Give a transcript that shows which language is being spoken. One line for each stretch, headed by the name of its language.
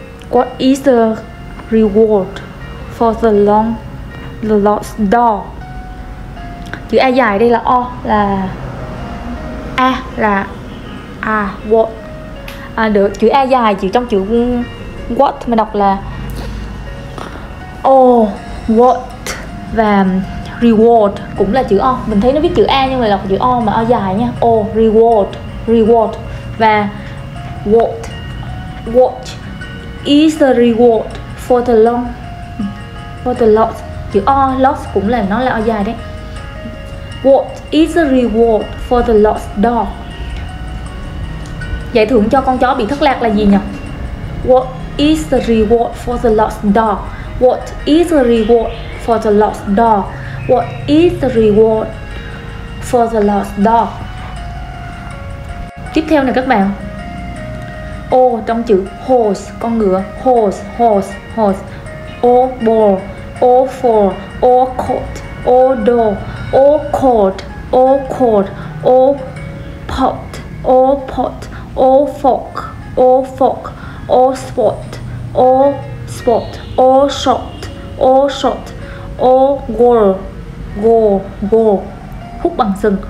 English: What is the reward for the lost dog?
Vietnamese: Chữ A dài đây là O, là A là A, what. À được, chữ A dài, chữ trong chữ what mình đọc là O, what. Và reward cũng là chữ O. Mình thấy nó viết chữ A nhưng mà đọc chữ O mà O dài nha.
English: O, reward. Reward. Và what, what is the reward for the long, for the lost.
Vietnamese: Chữ O, lost cũng là nó là O dài đấy.
English: What is the reward for the lost dog?
Vietnamese: Giải thưởng cho con chó bị thất lạc là gì nhỉ?
English: What is the reward for the lost dog? What is the reward for the lost dog? What is the reward for the lost dog?
Vietnamese: Tiếp theo nè các bạn. O trong chữ horse, con ngựa.
English: Horse, horse, horse. O ball, O for, O coat, O door, O cord, O cord, O pot, O pot, O fork, O fork, O spot, O spot, O shot, O shot, O goal, goal, goal.
Vietnamese: Hút bằng sừng.